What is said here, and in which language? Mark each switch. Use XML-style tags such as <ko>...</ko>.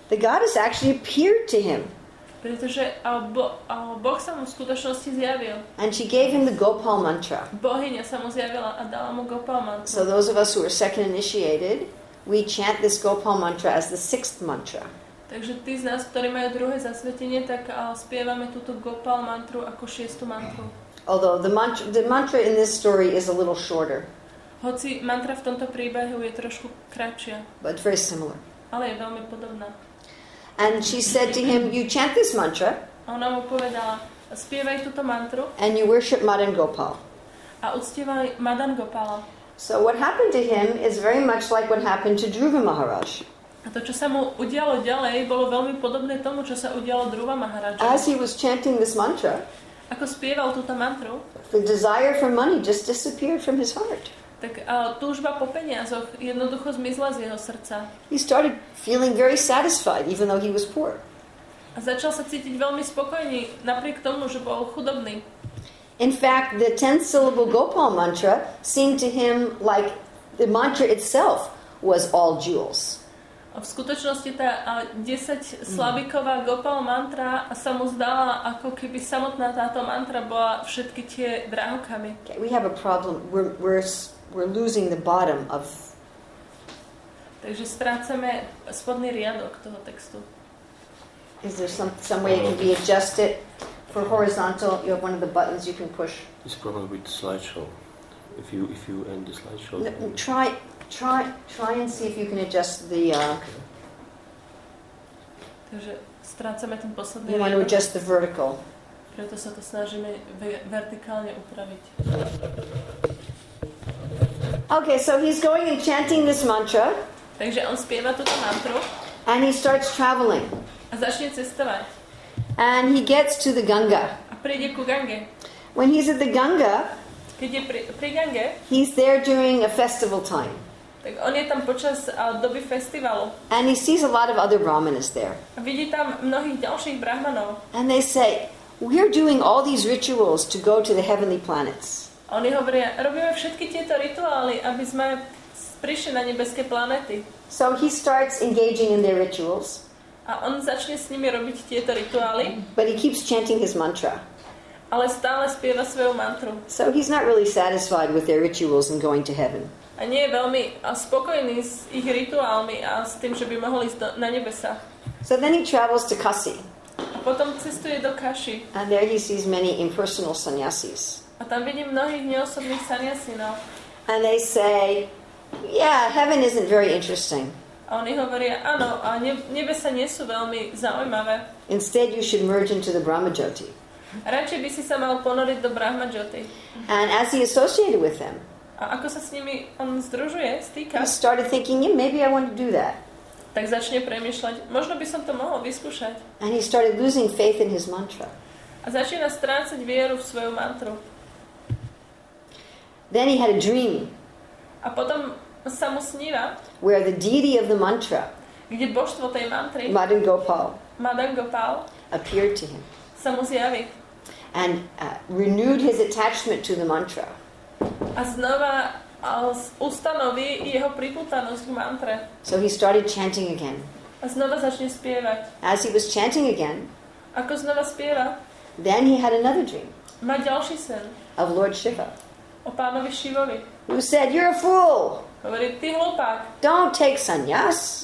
<en>The goddess actually appeared to him.</en> <sk>Pretože Boh sa mu v skutočnosti zjavil.</sk> <en>And she gave him the Gopal mantra.</en> <sk>Bohyňa sa mu zjavila a dala mu Gopal mantra.</sk> <en>So those of us who are second initiated, we chant this Gopal mantra as the sixth mantra.</en> <sk>Takže tí z nás, ktorí majú druhé zasvetenie, tak spievame túto Gopal mantru ako šiestu mantru.</sk> <en>Although the mantra in this story is a little shorter.</en> <sk>Hoci mantra v tomto príbehu je trošku kratšia.</sk> <en>But very similar.</en> <sk>Ale je veľmi podobná.</sk> <en>And she said to him, you chant this mantra.</en> <sk>Ona mu povedala, spievaj túto mantru.</sk> <en>And you worship Madan Gopal.</en> <sk>A uctievaj Madan Gopala.</sk> <en>So what happened to him is very much like what happened to Dhruva Maharaj.</en> <sk>A to, čo sa mu udialo ďalej, bolo veľmi podobné tomu, čo sa udialo Dhruva Maharaja.</sk> <en>As he was chanting this mantra,</en> <sk>ako spieval túto mantru,</sk> <en>the desire for money just disappeared from his heart.</en> <sk>Tak túžba po peniazoch jednoducho zmizla z jeho srdca.</sk> <en>He started feeling very satisfied, even though he was poor.</en> <sk>A začal sa cítiť veľmi spokojný, napriek tomu, že bol chudobný.</sk> <en>In fact, the 10-syllable Gopal mantra seemed to him like the mantra itself was all jewels.</en> <sk>V skutočnosti tá 10-slabiková Gopal mantra sa mu zdala, ako keby samotná táto mantra bola všetky tie drahokamy.</sk> <en>Okay, we have a problem. We're losing the bottom of...</en> <sk>Takže strácame spodný riadok toho textu.</sk> <en>Is there some way you can be adjusted for horizontal? You have one of the buttons you can push. It's probably with the slideshow. If you end the slideshow... No, try and see if you can adjust the...</en> <sk>Takže strácame ten posledný riadok.</sk> <en>You want to adjust the vertical.</en> <sk>Preto sa to snažíme vertikálne upraviť.</sk> <en>Okay, so he's going and chanting this mantra.</en> <sk>Takže on spieva túto mantru.</sk> <en>And he starts traveling.</en> <sk>A začne cestovať.</sk> <en>And he gets to the Ganga.</en> <sk>A príde ku Gange.</sk> <en>When he's at the Ganga,</en> <sk>keď je pri Gange,</sk> <en>he's there during a festival time.</en> <sk>Tak on je tam počas doby festivalu.</sk> <en>And he sees a lot of other brahmanas there.</en> <sk>A vidí tam mnohých ďalších brahmanov.</sk> <en>And they say, "We are doing all these rituals to go to the heavenly planets."</en> <sk>Oni hovoria, robíme všetky tieto rituály, aby sme prišli na nebeské planety.</sk> <en>So he starts engaging in their rituals.</en> <sk>A on začne s nimi robiť tieto rituály.</sk> <en>But he keeps chanting his mantra.</en> <sk>Ale stále spieva svoju mantru.</sk> <en>So he's not really satisfied with their rituals and going to heaven.</en> <sk>A nie je veľmi spokojný s ich rituálmi a s tým, že by mohol ísť na nebesa.</sk> <en>So then he travels to Kasi.</en> <sk>A potom cestuje do Kaši.</sk> <en>And there he sees many impersonal sannyasis.</en> <sk>A tam vidím mnohých neosobných sanyasinov.</sk> <en>And they say, yeah, heaven isn't very interesting.</en> <sk>A oni hovoria, áno, a nebesa nie sú veľmi zaujímavé.</sk> <en>Instead, you should merge into the Brahmajyoti.</en> <sk>Radšej by si sa mal ponoriť do Brahmajyoti.</sk> <en>And as he associated with them,</en> <sk>a ako sa s nimi on združuje, stýka,</sk> <en>he started thinking, yeah, maybe I want to do that.</en> <sk>Tak začne premýšľať, možno by som to mohol vyskúšať.</sk> <en>And he started losing faith in his mantra.</en> <sk>A začína strácať vieru v svoju mantru.</sk> <en>Then he had a dream.</en> <sk>A potom sa mu sníva.</sk> <en>Where the deity of the mantra.</en> <sk>Kde božstvo tej mantry.</sk> <en>Madan Gopal.</en> <sk>Madan Gopal.</sk> <en>Appeared to him.</en> <sk>Sa mu zjaví.</sk> <en>And renewed his attachment to the mantra.</en> <sk>A znova ustanoví jeho pripútanosť k mantre.</sk> <en>So he started chanting again.</en> <sk>A znova začne spievať.</sk> <en>As he was chanting again.</en> <sk>Ako znova spieva.</sk> <en>Then he had another dream.</en> <sk>Má ďalší sen.</sk> <en>Of Lord Shiva.</en> <sk>O pánovi Šivovi.</sk> <en>Who said, "You're a fool."</en> <sk>Hovorí, ty hlupák.</sk> <en>Don't take sannyas.</en>